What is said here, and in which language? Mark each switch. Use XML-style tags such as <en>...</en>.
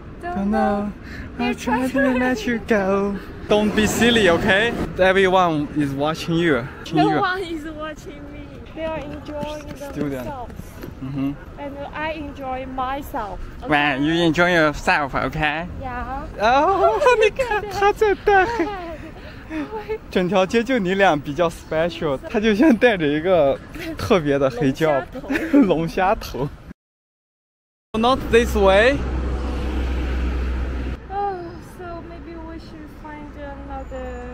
<en>Don't know. I try to let you go. Don't be silly, okay? Everyone is watching you. No one is watching me. They are enjoying themselves. Mm-hmm. And I enjoy myself. Okay? Well, you enjoy yourself, okay? Yeah. Oh, look at that. He's wearing it.</en> <zh>整条街就你俩比较 special， 他就像戴着一个特别的黑胶龙虾头。</zh> <en>Not this way. Oh, so maybe we should find another.</en>